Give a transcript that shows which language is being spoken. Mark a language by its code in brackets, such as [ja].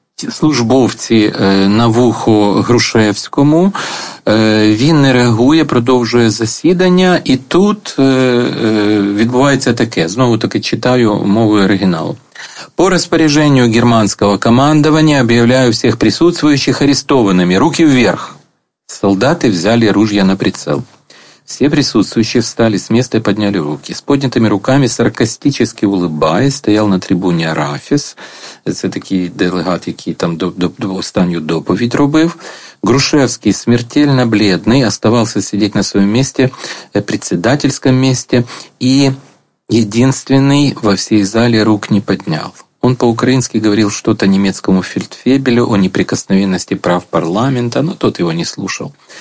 [uk] службовці на вухо Грушевському, він не реагує, продовжує засідання, і тут відбувається таке, знову таки читаю мовою оригіналу. По розпорядженню германського командування об'являю всіх присутствуючих арестованими. [ru] Руки вверх. Солдати взяли ружья на прицел. Все присутствующие встали с места и подняли руки. С поднятыми руками, саркастически улыбаясь, стоял на трибуне Арафіс. [uk] Це такий делегат, який там останню доповідь робив. [ru] Грушевский, смертельно бледный, оставался сидеть на своем месте, председательском месте, и единственный во всей зале рук не поднял. Он по-украински говорил что-то немецкому фельдфебелю о неприкосновенности прав парламента, но тот его не слушал.